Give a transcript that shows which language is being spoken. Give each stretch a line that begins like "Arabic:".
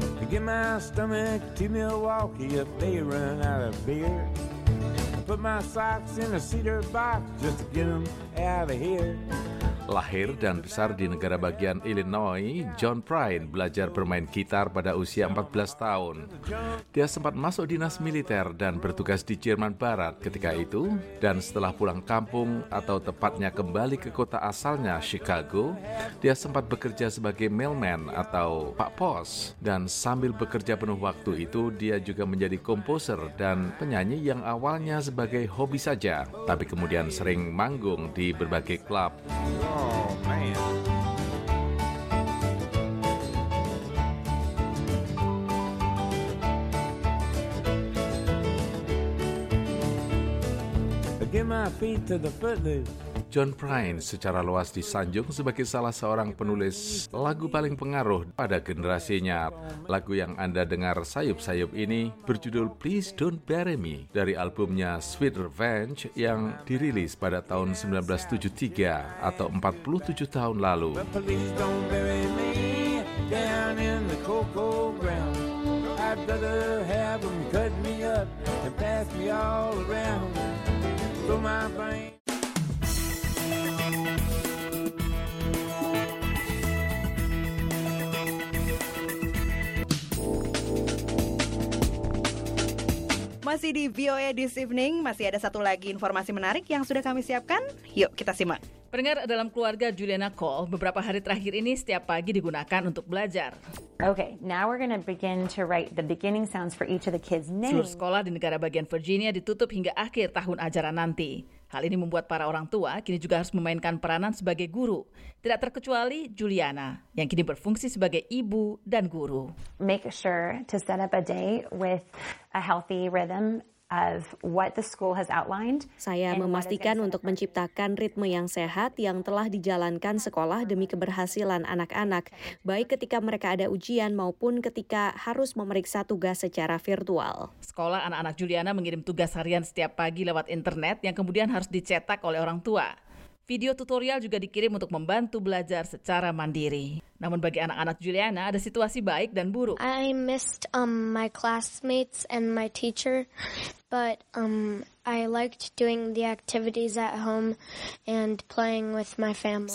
English: Get my stomach to Milwaukee if they run out of beer. Put my socks in a cedar box just to get them out of here.
Indonesian: Lahir dan besar di negara bagian Illinois, John Prine belajar bermain gitar pada usia 14 tahun. Dia sempat masuk dinas militer dan bertugas di Jerman Barat ketika itu, dan setelah pulang kampung atau tepatnya kembali ke kota asalnya, Chicago, dia sempat bekerja sebagai mailman atau pak pos. Dan sambil bekerja penuh waktu itu, dia juga menjadi komposer dan penyanyi yang awalnya sebagai hobi saja, tapi kemudian sering manggung di berbagai klub.
English: Oh, man. Give my feet to the footloose.
Indonesian: John Prine secara luas disanjung sebagai salah seorang penulis lagu paling pengaruh pada generasinya. Lagu yang Anda dengar sayup-sayup ini berjudul Please Don't Bury Me dari albumnya Sweet Revenge yang dirilis pada tahun 1973 atau 47 tahun lalu.
English: Please don't bury me down in the cold ground. I'd rather have them cut me up and pass me all around. Throw my brain.
Indonesian: Masih di VOA This Evening, masih ada satu lagi informasi menarik yang sudah kami siapkan. Yuk, kita simak. Pendengar, dalam keluarga Juliana Cole, beberapa hari terakhir ini setiap pagi digunakan untuk belajar.
English: Okay, now we're going to begin to write the beginning sounds for each of the kids' names.
Indonesian: Seluruh sekolah di negara bagian Virginia ditutup hingga akhir tahun ajaran nanti. Hal ini membuat para orang tua kini juga harus memainkan peranan sebagai guru. Tidak terkecuali Juliana, yang kini berfungsi sebagai ibu dan guru.
English: Make sure to set up a day with a healthy rhythm of what the school has outlined.
Indonesian: Saya memastikan untuk menciptakan ritme yang sehat yang telah dijalankan sekolah demi keberhasilan anak-anak, baik ketika mereka ada ujian maupun ketika harus memeriksa tugas secara virtual. Sekolah anak-anak Juliana mengirim tugas harian setiap pagi lewat internet yang kemudian harus dicetak oleh orang tua. Video tutorial juga dikirim untuk membantu belajar secara mandiri. Namun bagi anak-anak Juliana, ada situasi baik dan buruk.
English: I missed my classmates and my teacher, but I liked doing the activities at home and playing with my family.